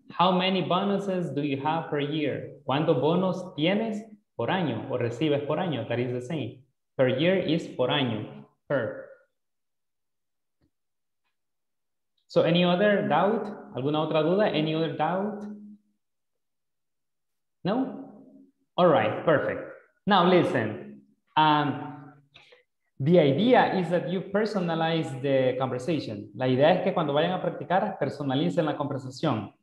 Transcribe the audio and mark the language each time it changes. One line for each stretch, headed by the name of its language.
English: How many bonuses do you have per year?
Spanish: ¿Cuántos bonos tienes por año o recibes por año?
English: That is the same. Per year is
Spanish: por año.
English: Per. So any other doubt?
Spanish: ¿Alguna otra duda?
English: Any other doubt? No? All right, perfect. Now listen. The idea is that you personalize the conversation.
Spanish: La idea es que cuando vayan a practicar, personalicen la conversación.